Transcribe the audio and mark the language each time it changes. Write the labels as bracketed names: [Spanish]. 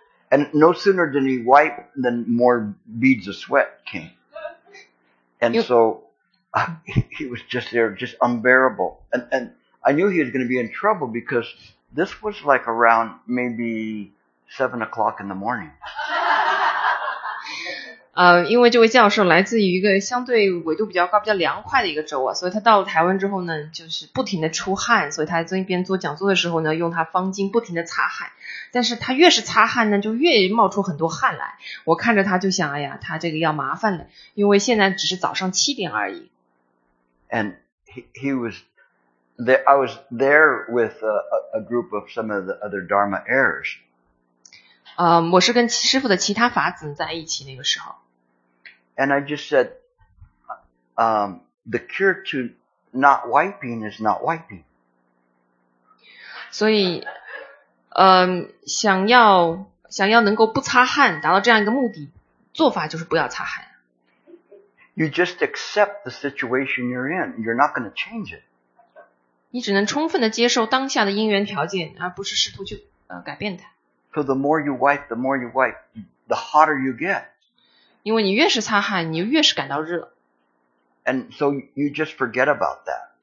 [English] And no sooner did he wipe than more beads of sweat came. And so he was just there, just unbearable. And I knew he was going to be in trouble because this was like around maybe 7 o'clock in the morning. [Chinese] 因为这位教授来自于一个相对纬度比较高比较凉快的一个州啊所以他到了台湾之后呢就是不停的出汗所以他在那边做讲座的时候呢用他方巾不停的擦汗但是他越是擦汗呢就越冒出很多汗来我看着他就想哎呀他这个要麻烦了因为现在只是早上七点而已。 [English] And he was there, I was there with a group of some of the other Dharma heirs. [Chinese] 我是跟师父的其他法子在一起那个时候。 [English] And I just said, the cure to not wiping is not wiping. [Chinese] 所以想要能够不擦汗达到这样一个目的做法就是不要擦汗。 [English] You just accept the situation you're in. You're not going to change it. [Chinese] 你只能充分的接受当下的因缘条件而不是试图去改变它。 [English] So the more you wipe, the more you wipe, the hotter you get. [Chinese] 因为你越是擦汗，你越是感到热。 [English] And so you just forget about that.